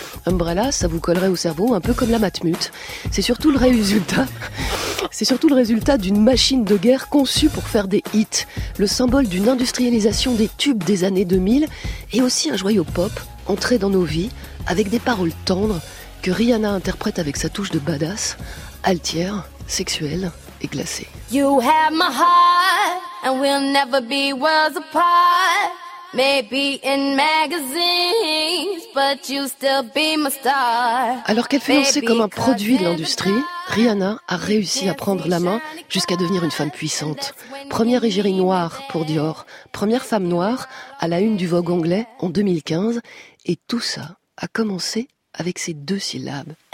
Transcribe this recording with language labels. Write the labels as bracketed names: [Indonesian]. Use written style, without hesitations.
[French] Umbrella, ça vous collerait au cerveau, un peu comme la Matmut. C'est surtout le résultat d'une machine de guerre conçue pour faire des hits, le symbole d'une industrialisation des tubes des années 2000 et aussi un joyau pop entré dans nos vies avec des paroles tendres que Rihanna interprète avec sa touche de badass, altière, sexuelle et glacée. [English] You have my heart and we'll never be worlds apart. Maybe in magazines, but you still be my star. [French] Alors qu'elle fiancée comme un produit de l'industrie, Rihanna a réussi à prendre la main jusqu'à devenir une femme puissante. Première égérie noire pour Dior, première femme noire à la une du Vogue anglais en 2015. Et tout ça a commencé avec ces 2 syllabes.